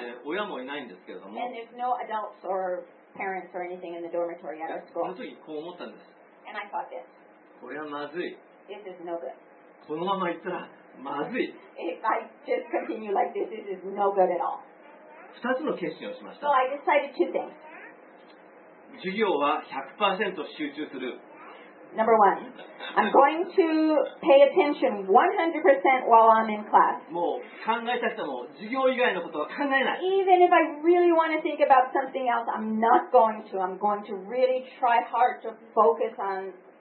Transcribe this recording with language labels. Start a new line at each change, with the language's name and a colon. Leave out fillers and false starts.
English: And there's no adults or parents or anything in the dormitory at our school. And I thought this.
Japanese: これはまずい。
English: This is no good.
Japanese: このまま行ったらまずい。
English: If I just continue like this, this is no good at all.
Japanese: 2つの決心をしました。
English: So I decided two things.
Japanese: 授業は 100% 集中する。
English: Number one, I'm going to pay attention 100% while I'm in class.
Japanese: もう考えたくても授業以外のことは考えない。
English: Even if I really want to think about something else, I'm not going to. I'm going to really try hard to focus on